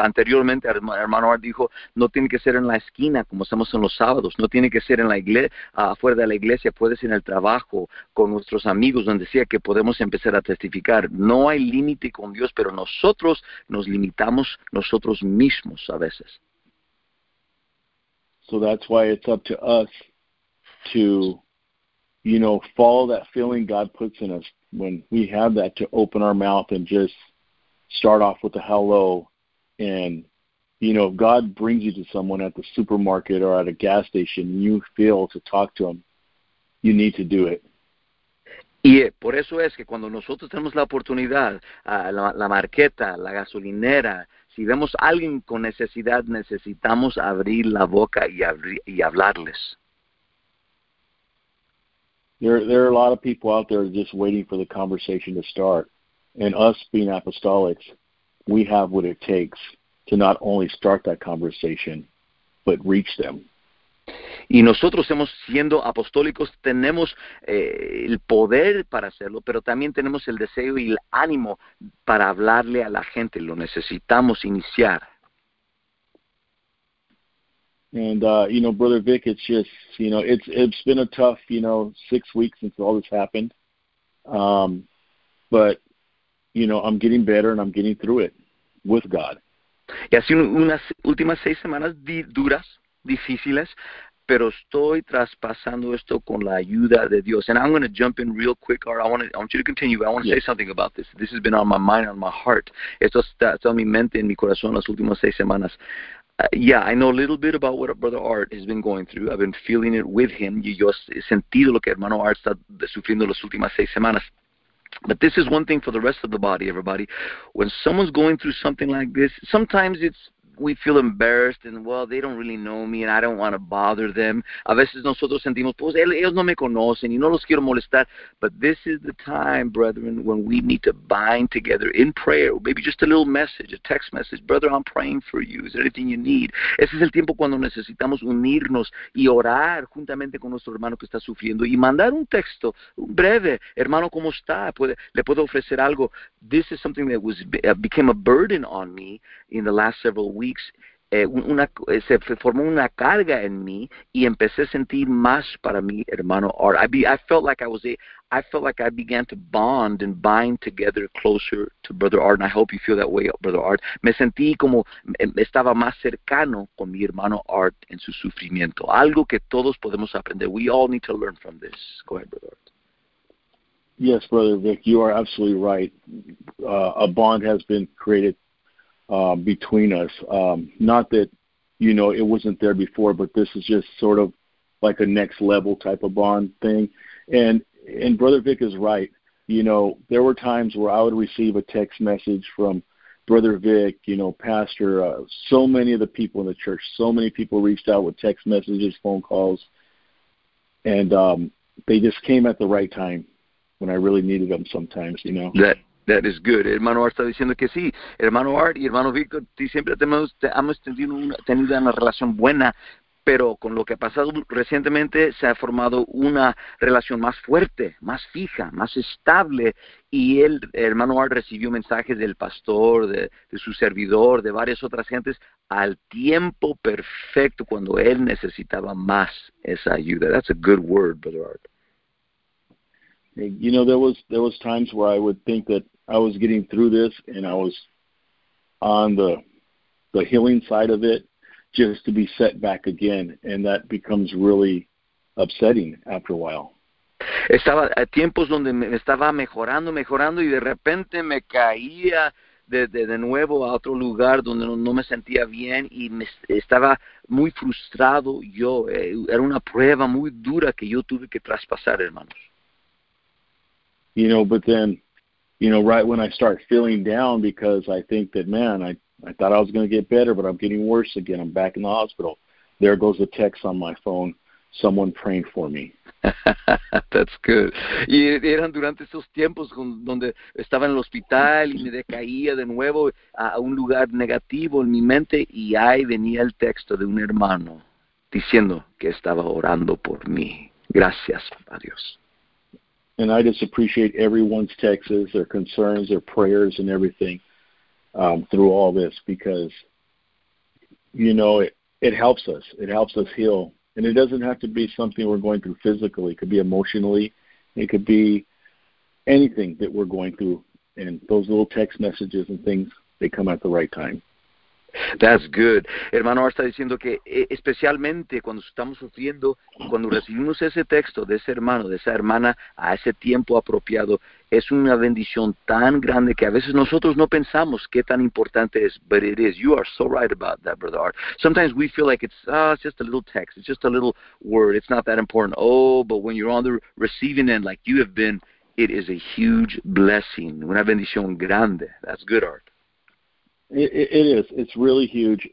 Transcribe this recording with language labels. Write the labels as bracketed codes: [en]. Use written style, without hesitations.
[es] Anteriormente, hermano Art dijo, no tiene que ser en la esquina, como hacemos en los sábados. No tiene que ser en la iglesia, afuera de la iglesia. Puede ser en el trabajo, con nuestros amigos, donde sea que podemos empezar a testificar. No hay límite con Dios, pero nosotros nos limitamos nosotros mismos a veces. [en] So that's why it's up to us to, follow that feeling God puts in us. When we have that, to open our mouth and just start off with a hello. And, if God brings you to someone at the supermarket or at a gas station, you feel to talk to them, you need to do it. [es] Y por eso es que cuando nosotros tenemos la oportunidad, la marqueta, la gasolinera, si vemos a alguien con necesidad, necesitamos abrir la boca y hablarles. [en] There are a lot of people out there just waiting for the conversation to start. And us being apostolics, we have what it takes to not only start that conversation, but reach them. [es] Y nosotros, siendo apostólicos, tenemos el poder para hacerlo, pero también tenemos el deseo y el ánimo para hablarle a la gente. Lo necesitamos iniciar. [en] And, Brother Vic, it's just, it's been a tough, 6 weeks since all this happened. But I'm getting better and I'm getting through it with God. [es] Y así unas últimas 6 semanas duras, difíciles, pero estoy traspasando esto con la ayuda de Dios. [en] And I'm going to jump in real quick, or I want you to continue, but I want to say something about this. This has been on my mind, on my heart. [es] Esto está en mi mente, en mi corazón, las últimas 6 semanas. [en] I know a little bit about what Brother Art has been going through. I've been feeling it with him. [es] Yo he sentido lo que hermano Art está sufriendo las últimas 6 semanas. [en] But this is one thing for the rest of the body, everybody. When someone's going through something like this, sometimes we feel embarrassed and, they don't really know me and I don't want to bother them. [es] A veces nosotros sentimos, ellos no me conocen y no los quiero molestar. [en] But this is the time, brethren, when we need to bind together in prayer, maybe just a little message, a text message. Brother, I'm praying for you. Is there anything you need? [es] Ese es el tiempo cuando necesitamos unirnos y orar juntamente con nuestro hermano que está sufriendo y mandar un texto, un breve, hermano, ¿cómo está? ¿Le puedo ofrecer algo? [en] This is something that became a burden on me in the last several weeks, [es] se formó una carga en mí y empecé a sentir más para mi hermano Art. [en] I felt like I began to bond and bind together closer to Brother Art, and I hope you feel that way, Brother Art. [es] Me sentí como estaba más cercano con mi hermano Art en su sufrimiento. Algo que todos podemos aprender. [en] We all need to learn from this. Go ahead, Brother Art. Yes, Brother Vic, you are absolutely right. A bond has been created between us. Not that, it wasn't there before, but this is just sort of like a next level type of bond thing. And Brother Vic is right. There were times where I would receive a text message from Brother Vic, Pastor, so many of the people in the church, so many people reached out with text messages, phone calls, and they just came at the right time when I really needed them sometimes, That is good. [es] Hermano Art está diciendo que sí. Hermano Art y hermano Víctor, siempre hemos tenido una relación buena, pero con lo que ha pasado recientemente se ha formado una relación más fuerte, más fija, más estable. Y el hermano Art recibió mensajes del pastor, de su servidor, de varias otras gentes, al tiempo perfecto cuando él necesitaba más esa ayuda. [en] That's a good word, Brother Art. There was times where I would think that I was getting through this and I was on the healing side of it just to be set back again, and that becomes really upsetting after a while. [es] Estaba a tiempos donde me estaba mejorando y de repente me caía de nuevo a otro lugar donde no me sentía bien y me estaba muy frustrado yo. Era una prueba muy dura que yo tuve que traspasar, hermanos. [en] But then, right when I start feeling down because I think that, man, I thought I was going to get better, but I'm getting worse again. I'm back in the hospital. There goes a text on my phone, someone praying for me. That's good. [es] Y eran durante esos tiempos donde estaba en el hospital y me decaía de nuevo a un lugar negativo en mi mente y ahí venía el texto de un hermano diciendo que estaba orando por mí. Gracias a Dios. [en] And I just appreciate everyone's texts, their concerns, their prayers, and everything through all this because, it helps us. It helps us heal. And it doesn't have to be something we're going through physically. It could be emotionally. It could be anything that we're going through. And those little text messages and things, they come at the right time. That's good. [es] Hermano Ar está diciendo que especialmente cuando estamos sufriendo, cuando recibimos ese texto de ese hermano, de esa hermana, a ese tiempo apropiado, es una bendición tan grande que a veces nosotros no pensamos qué tan importante es. [en] But it is. You are so right about that, brother Ar. Sometimes we feel like it's just a little text. It's just a little word. It's not that important. Oh, but when you're on the receiving end, like you have been, it is a huge blessing. [es] Una bendición grande. [en] That's good, [es] Ar. [en] It is. It's really huge.